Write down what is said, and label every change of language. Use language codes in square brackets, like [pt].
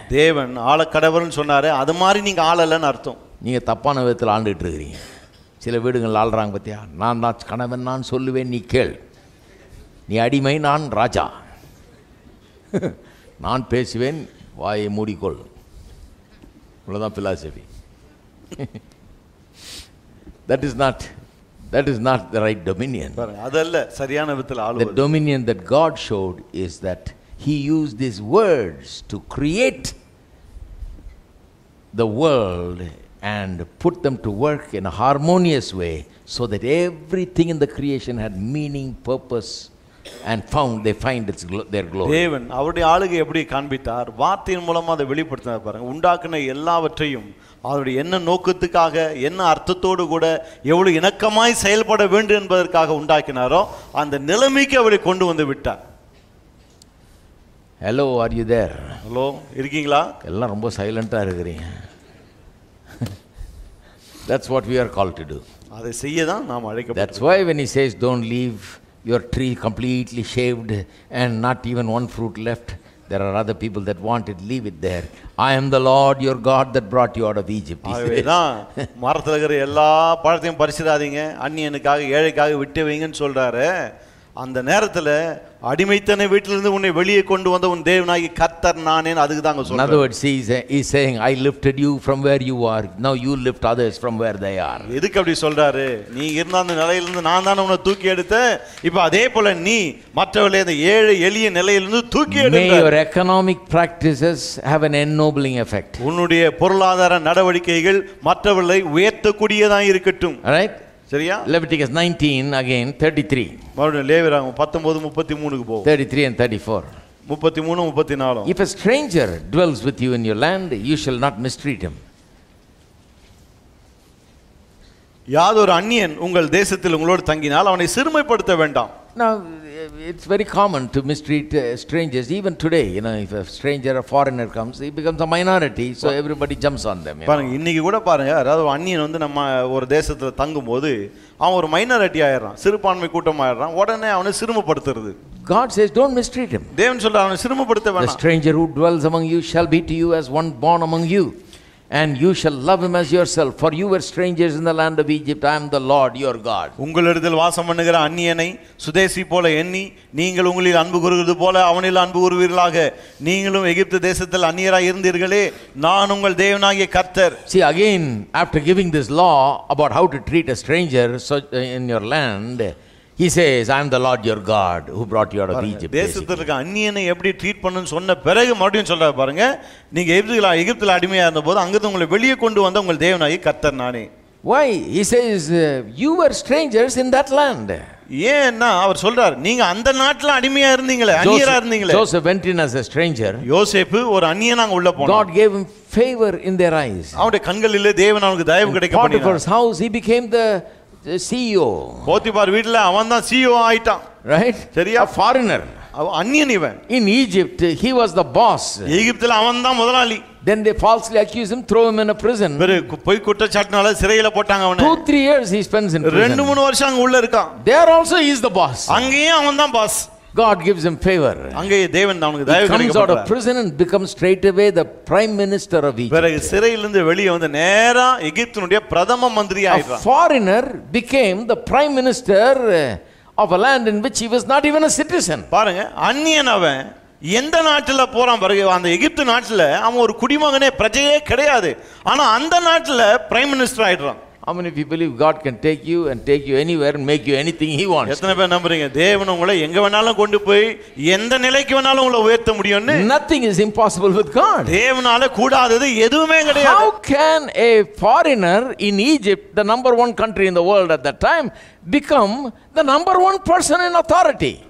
[ta] தேவன் ஆளக்கடவர்னு சொன்னாரே, அது மாதிரி நீங்க ஆளலன்னு அர்த்தம். நீங்க தப்பான விதத்தில் ஆண்டுட்டு இருக்கீங்க. சில வீடுகள் ஆளறாங்க பத்தியா, நான் தான் கணவன், நான் சொல்லுவேன், நீ கேள், நீ அடிமை, நான் ராஜா, நான் பேசுவேன், வாயை மூடிக்கொள், இவ்வளவுதான் philosophy. [en] That is not the right dominion. [ta] அதல்ல சரியான விதத்தில் ஆளுவது. [en] The dominion that God showed is that he used these words to create the world and put them to work in a harmonious way so that everything in the creation had meaning, purpose and found, they find its their glory. [ta] தேவன் அவருடைய ஆளுகை எப்படி காண்பித்தார், வார்த்தையின் மூலமா அதை வெளிப்படுத்தினார் பாருங்க. உண்டாக்குன எல்லாவற்றையும் அவருடைய என்ன நோக்கத்துக்காக, என்ன அர்த்தத்தோடு கூட, எவ்வளவு இணக்கமாய் செயல்பட வேண்டும் என்பதற்காக உண்டாக்கினாரோ அந்த நிலைமைக்கு அவரை கொண்டு வந்து விட்டார். [en] Hello, are you there? [ta] Hello, இருக்கீங்களா? எல்லாம் ரொம்ப சைலண்டா இருக்கிறீங்க. [en] That's what we are called to do. [ta] அதை செய்ய தான் நாம் அழைக்கப்பட்டோம். [en] That's why when he says don't leave your tree completely shaved and not even one fruit left, there are other people that want it, leave it there. I am the Lord your God that brought you out of Egypt. [ta] அவேதா மரத்தில் இருக்கிற எல்லா பழத்தையும் பறிச்சிடாதீங்க, அண்ணியனுக்காக ஏழைக்காக விட்டு வைங்கன்னு சொல்றாரு. அந்த நேரத்தில் அடிமைத்தனை வீட்டிலிருந்து உன்னை வெளியே கொண்டு வந்த உன் தேவனாகி கர்த்தர் நானே, அதுக்கு தாங்க சொல்றேன். [en] In other words, he is saying, I lifted you from where you are, now you lift others from where they are. [ta] எதுக்கு அப்படி சொல்றாரு, நீ இருந்த அந்த நிலையிலிருந்து நான் தான் உன்னை தூக்கி எடுத்தேன், இப்ப அதே போல நீ மற்றவர்களை அந்த ஏழை எளிய நிலையிலிருந்து தூக்கி எடுத்த. [en] Your economic practices have an ennobling effect. [ta] உன்னுடைய பொருளாதார நடவடிக்கைகள் மற்றவர்களை உயர்த்தக்கூடியதாக இருக்கட்டும். [en] Right? [ta] சரியா? [en] Leviticus 19 again 33. [ta] மறுபடியும் லேவியராகமம் 19:33 க்கு போவோம். [en] 33 and 34. [ta] 33, 34. [en] If a stranger dwells with you in your land, you shall not mistreat him. [ta] யாதொரு அந்நியன் உங்கள் தேசத்தில் உங்களோடு தங்கினால் அவனை சிறுமைப்படுத்த வேண்டாம். [en] Now it's very common to mistreat strangers even today. You know, if a stranger, a foreigner comes, he becomes a minority, so everybody jumps on them. [ta] பாருங்க, இன்னைக்கு கூட பாருங்க, அதாவது அந்நியன் வந்து நம்ம ஒரு தேசத்துல தங்கும்போது அவன் ஒரு மைனாரிட்டி ஆயிடுறான், சிறுபான்மை கூட்டம் ஆயிடுறான், உடனே அவனை சிறுமப்படுத்துறது. [en] God says don't mistreat him. [ta] தேவன் சொல்றாரு அவனை சிறுமப்படுத்த வேண்டாம். [en] The stranger who dwells among you shall be to you as one born among you, and you shall love him as yourself, for you were strangers in the land of Egypt. I am the Lord your God. [ta] உங்களிடத்தில் வாசம் பண்ணுகிற அந்நியனை சுதேசி போல எண்ணி நீங்கள் உங்களில் அன்பு கூறுகிறது போல அவனில் அன்பு கூறுவீர்களாக. நீங்களும் எகிப்து தேசத்தில் அந்நியராக இருந்தீர்களே, நான் உங்கள் தேவனாகிய கர்த்தர். [en] See, again after giving this law about how to treat a stranger in your land, he says, I am the Lord your God who brought you out of Egypt. [ta] தேசத்துக்கு அந்நியனை எப்படி ட்ரீட் பண்ணணும்னு சொன்ன பிறகு மறுபடியும் சொல்றாரு பாருங்க, நீங்க எகிப்துல அடிமையா இருந்த போது அங்கிருந்து உங்களை வெளியே கொண்டு வந்த உங்கள் தேவனாகிய கர்த்தர் நானே. [en] Why? He says, you were strangers in that land. [ta] ஏன்னா அவர் சொல்றார், நீங்க அந்த நாட்டுல அடிமையா இருந்தீங்களே, அந்நியரா இருந்தீங்களே. [en] Joseph went in as a stranger. [ta] யோசேப்பு ஒரு அந்நியனாக உள்ள போனான். [en] God gave him favor in their eyes. [ta] அவருடைய கண்களில் தேவன் அவனுக்கு தயவு கிடைக்க பண்ணினார். [en] Potiphar's house, he became the CEO. [ta] Potiphar வீட்ல அவன் தான் CEO ஆயிட்டான். [en] Right? [ta] சரியா? [en] Foreigner. [ta] அந்நியன் இவன். [en] In Egypt, he was the boss. [ta] எகிப்துல அவன் தான் முதலாளி. [en] Then they falsely accused him, throw him in a prison. [ta] போய் குற்றச்சாட்டுனால சிறையில போட்டாங்க அவனை. [en] 2-3 years he spends in prison. [ta] 2-3 வருஷம் அங்க உள்ள இருக்கான். [en] There also he is the boss. [ta] அங்கேயும் அவன் தான் pass. [en] God gives him favor. [ta] அங்கே தேவன் அவனுக்கு தயவு கொடுக்கிறார். [en] He comes out of prison and becomes straight away the prime minister of Egypt. [ta] பிறகு சிறையில இருந்து வெளியே வந்து நேரா எகிப்தினுடைய பிரதம மந்திரி ஆயிடுறான். [en] A foreigner became the prime minister of a land in which he was not even a citizen. [ta] பாருங்க, அந்நியன் அவன் எந்த நாட்டுல போறான் பாருங்க, அந்த எகிப்து நாட்டுல அவன் ஒரு குடிமகனே, பிரஜையே கிடையாது, ஆனா அந்த நாட்டுல பிரைம் மினிஸ்டர் ஆயிடுறான். A [en] How many of you believe God can take you and take you anywhere and make you anything he wants? [ta] எத்தனை பேர் நம்புறீங்க தேவன் உங்களை எங்க வேணாலும் கொண்டு போய் எந்த நிலைக்கு வேணாலும் உங்களை உயர்த்த முடியும்னு? [en] Nothing is impossible with God. [ta] தேவனால கூடாதது எதுவுமே கிடையாது. [en] How can a foreigner in Egypt, the number one country in the world at that time, become the number one person in authority?